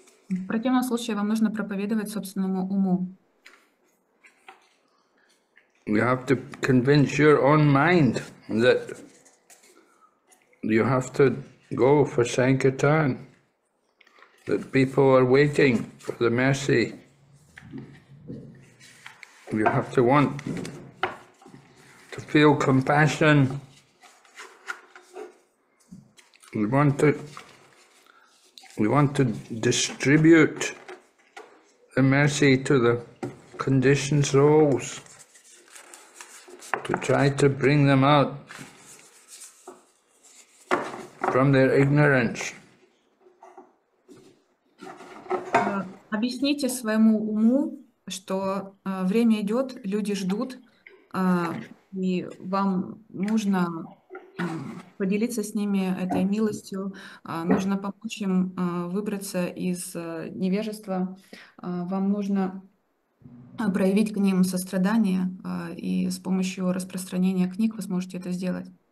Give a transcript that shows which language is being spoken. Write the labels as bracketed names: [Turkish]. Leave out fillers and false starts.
[Russian] В противном случае вам нужно проповедовать собственному уму. [English] You have to convince your own mind that you have to go for Sankirtan, that people are waiting for the mercy. You have to want to feel compassion. We want to distribute the mercy to the conditioned souls, to try to bring them out from their ignorance. [Russian] Объясните своему уму, что время идет, люди ждут, и вам нужно поделиться с ними этой милостью, нужно помочь им выбраться из невежества, вам нужно проявить к ним сострадание, и с помощью распространения книг вы сможете это сделать.